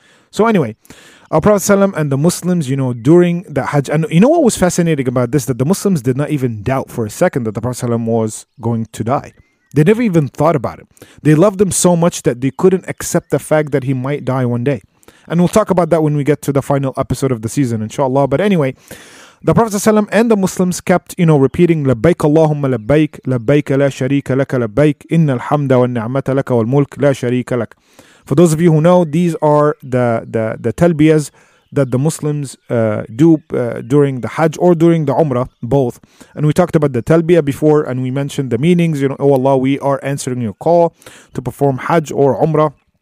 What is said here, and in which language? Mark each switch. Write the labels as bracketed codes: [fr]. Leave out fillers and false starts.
[en] So anyway, our Prophet ﷺ and the Muslims, during the Hajj, and you know what was fascinating about this, that the Muslims did not even doubt for a second that the Prophet ﷺ was going to die. They never even thought about it. They loved him so much that they couldn't accept the fact that he might die one day. And we'll talk about that when we get to the final episode of the season, inshallah. But anyway, the Prophet ﷺ and the Muslims kept, repeating [ar] لبيك اللهم لبيك لبيك لا شريك لك لبيك إن الحمد والنعمة لك والملك لا شريك لك. [en] For those of you who know, these are the talbiyas that the Muslims do during the Hajj or during the Umrah, both. And we talked about the talbiyah before and we mentioned the meanings, oh Allah, we are answering your call to perform Hajj or Umrah.